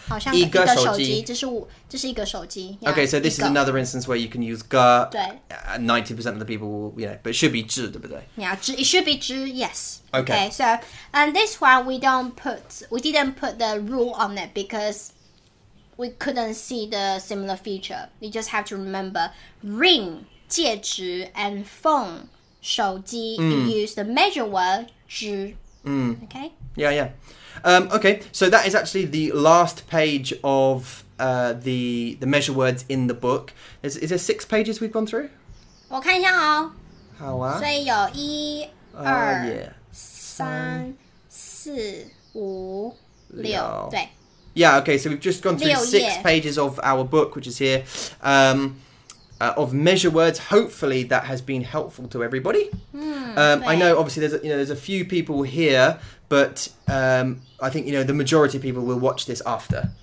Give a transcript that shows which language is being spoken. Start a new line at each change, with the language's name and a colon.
Chinese: 好像一个手机,这是一个手机。
English: Okay, so this is another instance where you can use 个, 90% of the people will, you know, but it should be 只,对不对? Yeah, it should be 只, yes. Okay. So, and this one, we didn't put the rule on it because we couldn't see the similar feature. You just have to remember ring, 戒指, and phone, 手机, you use the major word 只, okay? Yeah, yeah. Okay, so that is actually the last page of the measure words in the book. Is there six pages we've gone through?
Chinese: 我看一下哦。好啊。所以有一二三四五六对。
English: Yeah, okay, so we've just gone through six pages of our book, which is here, of measure words. Hopefully that has been helpful to everybody. I know, obviously, there's a few people here... But I think, you know, the majority of people will watch this after.